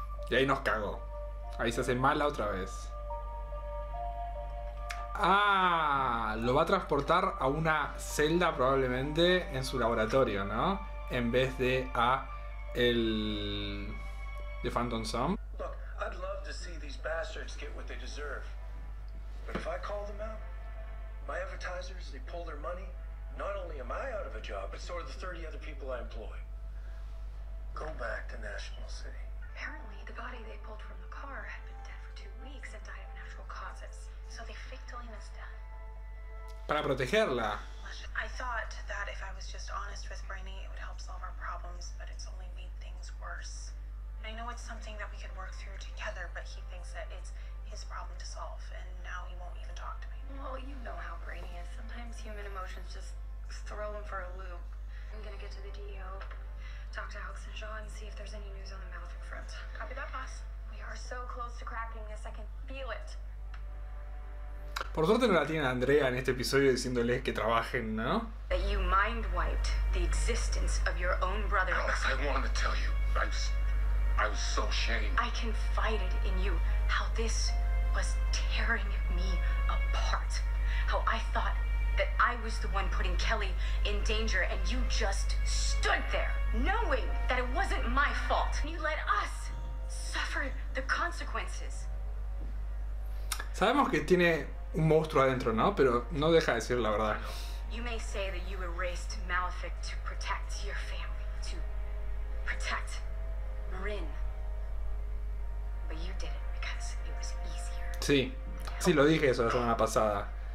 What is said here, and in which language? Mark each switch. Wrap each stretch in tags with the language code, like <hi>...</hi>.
<es>Y ahí nos cagó. Ahí se hace mala otra vez. Ah, lo va a transportar a una celda probablemente en su laboratorio, ¿no? En vez de a el de Phantom Zone.</es> <en>I'd love to see these bastards get what they deserve. But if I call them out, my advertisers, they pull their money, not only am I out of a job, but so are the 30 other people I employ. Go back to National City. Apparently, the body they pulled from the car had been dead for 2 weeks and died of natural causes. So they faked Elena's death.</en> <es>Para protegerla.</es> <en>I thought that if I was just honest with Brainy, it would help solve our problems, but it's only made things worse. I know it's something that we could work through together, but he thinks that it's his problem to solve, and now he won't even talk to me. Well, you know how Brainy is. Sometimes human emotions just throw him for a loop. I'm gonna get to the DEO, talk to Alex and Jean, and see if there's any news on the Malefic front. Copy that, boss. We are so close to cracking this. I can feel it.</en> <es>Por suerte no la tiene Andrea en este episodio diciéndoles que trabajen, ¿no?</es> <en>That you mind-wiped the existence of your own brother. Alex, I want to tell you. I'm so ashamed. I confided in you how this was tearing me apart. How I thought that I was the one putting Kelly in danger, and you just stood there knowing that it wasn't my fault. And you let us suffer the consequences.</en> <es>Sabemos que tiene un monstruo adentro, ¿no? Pero no deja de decir la verdad.</es> <en>You may say that you erased Malefic to protect your family, to protect Rin. But you did it because it was easier.</en> <es>Sí, sí, lo dije eso la semana pasada.</es>